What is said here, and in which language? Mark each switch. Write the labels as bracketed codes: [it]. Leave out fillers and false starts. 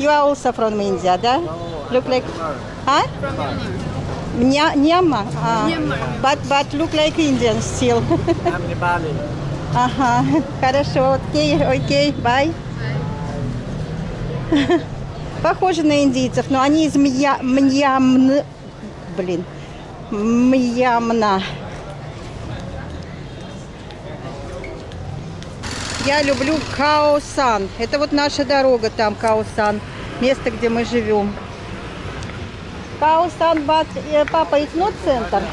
[en] You are also from India, да? No. Look like. Huh? Nyama, but look like Indian still. I'm in Bali. [ru] Ага, хорошо, окей, bye. Похоже на индийцев, но они из Мьямна. Я люблю Каосан. Это вот наша дорога там, Каосан, место, где мы живем. [en] Каосан, but Papa, it's not center.